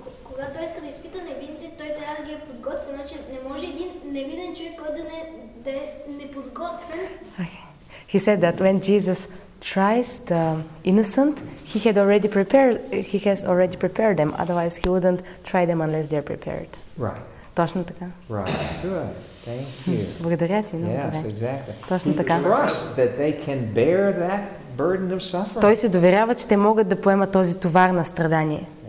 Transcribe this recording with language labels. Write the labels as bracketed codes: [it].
[bg] Когато иска да изпита невините, той трябва да ги е подготвен. Значи не може един невинен човек, който да не е неподготвен. [en] Okay. He said that when Jesus tries the innocent, he has already prepared them. Otherwise, he wouldn't try them unless they are prepared. Right. [bg] Точно така. [en] Right. Good. Thank you. [bg] Благодаря ти. [en] Yes, exactly. [bg] Точно така. [en] He trusts that they can bear that burden of suffering. [bg] Той се доверява, че те могат да поемат този товар на страдание.